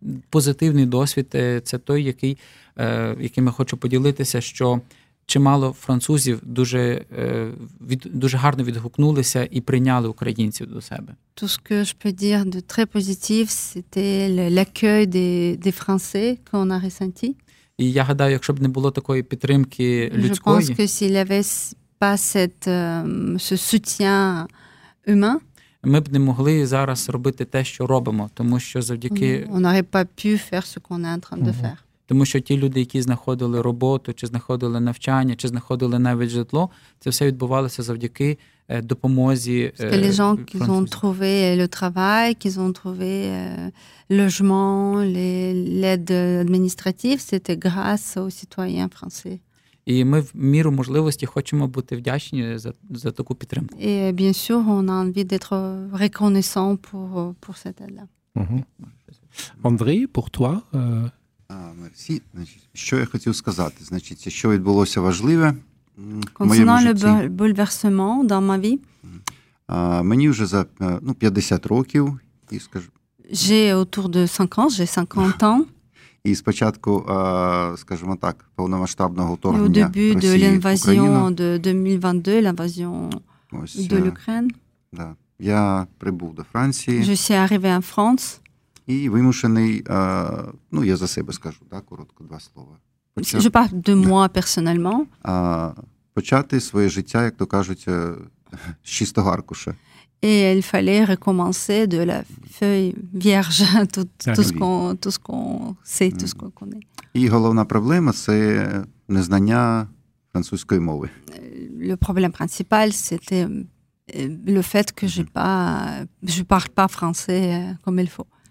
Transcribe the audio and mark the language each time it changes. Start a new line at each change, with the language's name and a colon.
Ukrainian: Позитивний досвід це той, яким я хочу поділитися, що чимало французів дуже гарно відгукнулися і прийняли українців до себе.
French: Tout ce que je peux dire de très positif, c'était l'accueil des Français qu'on a ressenti.
Ukrainian: І я гадаю, якщо б не було такої підтримки людської,
French: je pense que s'il y avait pas ce soutien humain.
Ukrainian: Ми б не могли зараз робити те, що робимо, тому що завдяки
French: On n'aurait pas pu faire ce qu'on est en train de faire.
Ukrainian: Тому що ті люди, які знаходили роботу, чи знаходили навчання, чи знаходили навіть житло, це все відбувалося завдяки допомозі
French: Les gens qui ont trouvé le travail, qui ont trouvé logement, l'aide administrative, c'était grâce aux citoyens français.
Ukrainian: І ми в міру можливості хочемо бути вдячні за таку підтримку.
French: Et bien sûr, on a envie d'être reconnaissant pour cette aide-là. Угу. Андрій, pour toi, merci.
Ukrainian: Значить, що я хотів сказати? Значить, що відбулося важливе?
French: Concernant le bouleversement dans ma vie.
Ukrainian: Мені вже за, 50 років, і скажу.
French: J'ai autour de 5 ans, j'ai 50 ans.
Ukrainian: І спочатку, скажімо так, повномасштабного вторгнення Росії в
French: Україну. De l'Ukraine.
Ukrainian: Да. Я прибув до Франції.
French: Je suis arrivé en France.
Ukrainian: І вимушений, я за себе скажу, да, коротко два слова.
French: Je parle de moi personnellement.
Ukrainian: Почати своє життя, як то кажуть, з чистого аркуша.
French: Et il fallait recommencer de la feuille vierge, tout ce qu'on sait, tout ce qu'on connaît.
Ukrainian: І головна проблема – це незнання французької мови.
French: Le problème principal, c'était le fait que je parle pas français comme il faut.